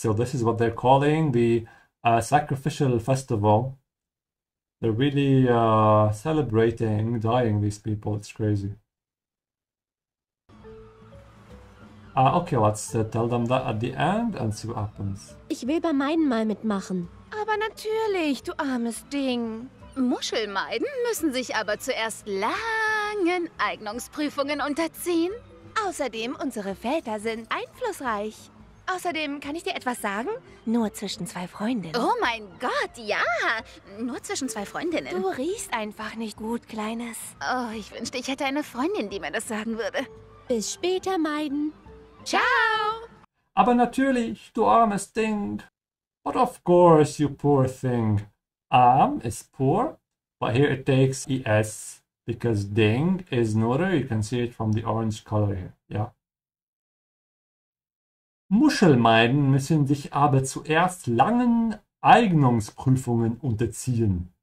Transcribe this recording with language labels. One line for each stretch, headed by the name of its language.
English: So this is what they're calling the sacrificial festival. They're really celebrating dying, these people. It's crazy. Okay, let's tell them that at the end and see what happens.
German: Ich will beim Maidenmahl mitmachen. Aber natürlich, du armes Ding. Muschelmeiden müssen sich aber zuerst langen Eignungsprüfungen unterziehen. Außerdem, unsere Väter sind einflussreich. Außerdem, kann ich dir etwas sagen? Nur zwischen zwei Freundinnen. Oh mein Gott, ja! Nur zwischen zwei Freundinnen. Du riechst einfach nicht gut, Kleines. Oh, ich wünschte, ich hätte eine Freundin, die mir das sagen würde. Bis später, Meiden. Ciao! Aber natürlich, du armes Ding.
English: But of course, you poor thing. Arm is poor, but here it takes es because ding is neuter. You can see it from the orange color here. Yeah.
German: Muschelmeiden müssen sich aber zuerst langen Eignungsprüfungen unterziehen.